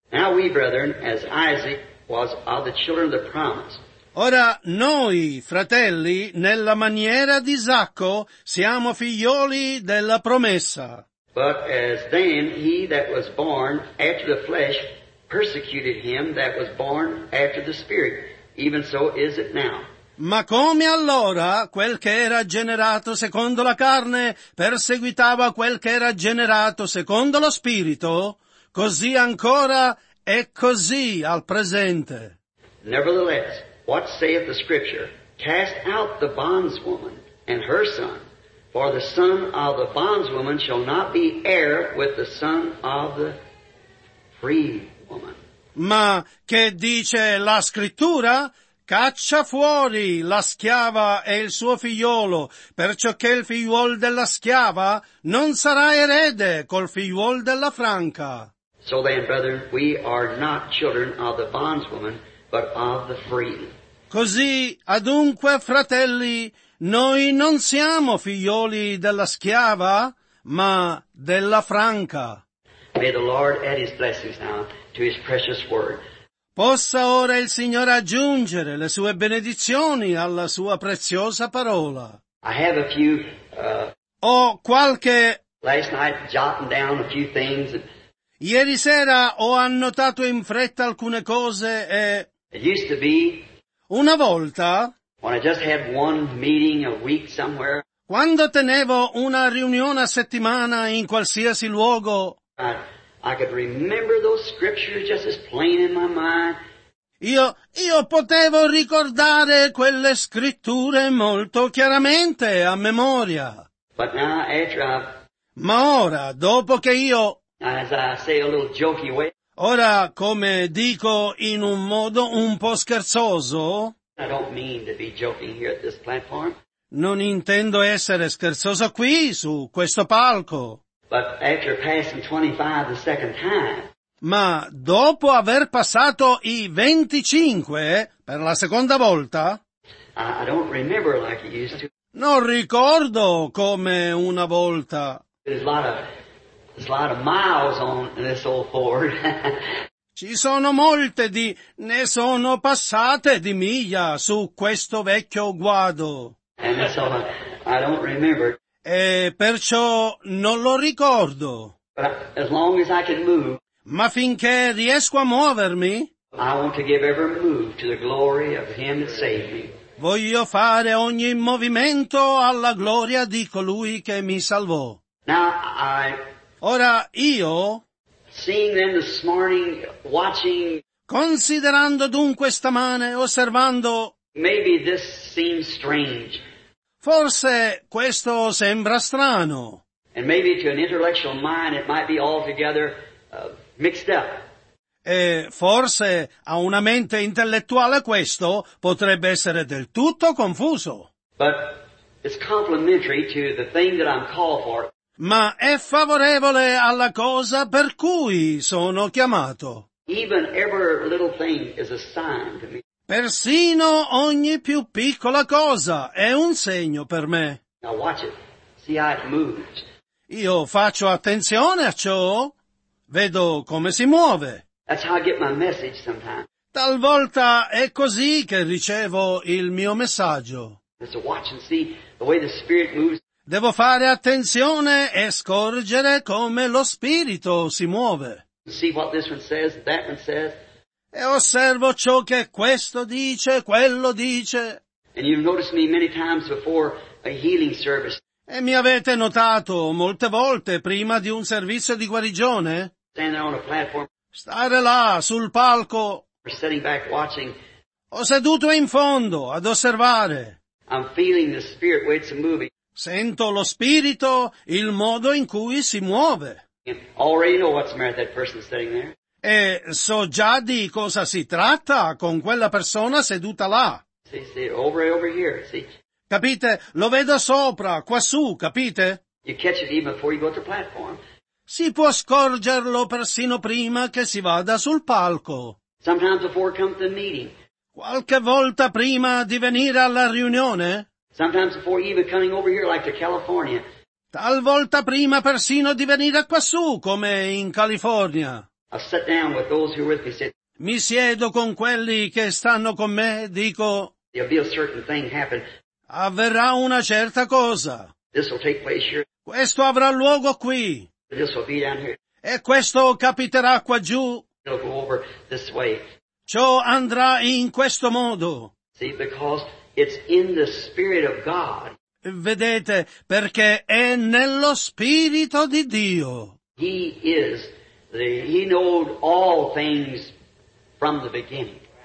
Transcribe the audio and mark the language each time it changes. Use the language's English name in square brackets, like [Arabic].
[English] Now we, brethren, as Isaac was of the children of the promise. [Italian] Ora noi, fratelli, nella maniera di Isacco, siamo figlioli della promessa. [English] But as then he that was born after the flesh persecuted him that was born after the spirit, even so is it now. [Italian] Ma come allora quel che era generato secondo la carne perseguitava quel che era generato secondo lo spirito, così ancora è così al presente. [English] Nevertheless, what saith the scripture? Cast out the bondswoman and her son. For the son of the bondswoman shall not be heir with the son of the free woman. [Italian] Ma che dice la scrittura? Caccia fuori la schiava e il suo figliolo, perciò che il figliuol della schiava non sarà erede col figliuol della franca. [English] So then, brethren, we are not children of the bondswoman, but of the free. [Italian] Così, adunque, fratelli, noi non siamo figlioli della schiava, ma della franca. [English] May the Lord add his blessings now to his precious word. [Italian] Possa ora il Signore aggiungere le sue benedizioni alla sua preziosa parola. [English] I have a few, [Italian] ho qualche... [English] Last night, jotting down a few things. [Italian] Ieri sera ho annotato in fretta alcune cose e... [English] It used to be... [Italian] Una volta... [English] When I just had one meeting a week somewhere... [Italian] Quando tenevo una riunione a settimana in qualsiasi luogo... [English] I could remember those scriptures just as plain in my mind. [Italian] Io potevo ricordare quelle scritture molto chiaramente a memoria. [English] But now, after I've... [Italian] Ma ora, dopo che io... [English] As I say a little jokey way... [Italian] Ora, come dico in un modo un po' scherzoso... [English] I don't mean to be joking here at this platform. [Italian] Non intendo essere scherzoso qui, su questo palco. [English] But after passing 25 the second time, [Italian] ma dopo aver passato i 25 per la seconda volta, [English] I don't remember like it used to. [Italian] Non ricordo come una volta. [English] There's a lot of miles on this old Ford. [Italian] Ci sono molte di, ne sono passate di miglia su questo vecchio guado. [English] And so I don't remember. [Italian] E perciò non lo ricordo. [English] As long as I can move, [Italian] ma finché riesco a muovermi, [English] I want to give every move to the glory of him that saved me. [Italian] Voglio fare ogni movimento alla gloria di colui che mi salvò. [English] Now I, [Italian] ora io, [English] seeing them this morning, watching, [Italian] considerando dunque stamane, osservando, [English] maybe this seems strange. [Italian] Forse questo sembra strano. [English] And maybe to an intellectual mind it might be altogether mixed up. [Italian] E forse a una mente intellettuale questo potrebbe essere del tutto confuso. [English] But it's complementary to the thing that I'm called for. [Italian] Ma è favorevole alla cosa per cui sono chiamato. [English] Even every little thing is a sign to me. [Italian] Persino ogni più piccola cosa è un segno per me. [English] Now watch it. See how it moves. [Italian] Io faccio attenzione a ciò. Vedo come si muove. [English] That's how I get my message sometimes. [Italian] Talvolta è così che ricevo il mio messaggio. [English] So watch and see the way the Spirit moves. [Italian] Devo fare attenzione e scorgere come lo Spirito si muove. [English] See what this one says, that one says. [Italian] E osservo ciò che questo dice, quello dice. [English] And you've noticed me many times before a healing service. [Italian] E mi avete notato molte volte prima di un servizio di guarigione. [English] Standing on a platform. [Italian] Stare là, sul palco. [English] Or sitting back watching. [Italian] Ho seduto in fondo, ad osservare. [English] I'm feeling the spirit where it's moving. [Italian] Sento lo spirito, il modo in cui si muove. [English] Already know what's the matter with that person sitting there. [Italian] E so già di cosa si tratta con quella persona seduta là. [English] See, over and over here, see. [Italian] Capite? Lo vedo sopra, quassù, capite? [English] You catch it even before you go to the platform. [Italian] Si può scorgerlo persino prima che si vada sul palco. [English] Sometimes before come to the meeting. [Italian] Qualche volta prima di venire alla riunione. [English] Sometimes before even coming over here like to California. [Italian] Talvolta prima persino di venire quassù come in California. [English] I sit down with those who are with me, sit. [Italian] Mi siedo con quelli che stanno con me, dico. [English] There'll be a certain thing happen. [Italian] Avverrà una certa cosa. [English] This will take place here. [Italian] Questo avrà luogo qui. [English] This will be down here. [Italian] E questo capiterà qua giù. [English] It'll go over this way. [Italian] Ciò andrà in questo modo. [English] See, because it's in the Spirit of God. [Italian] Vedete, perché è nello Spirito di Dio. [English] He is. He knows all things from the beginning.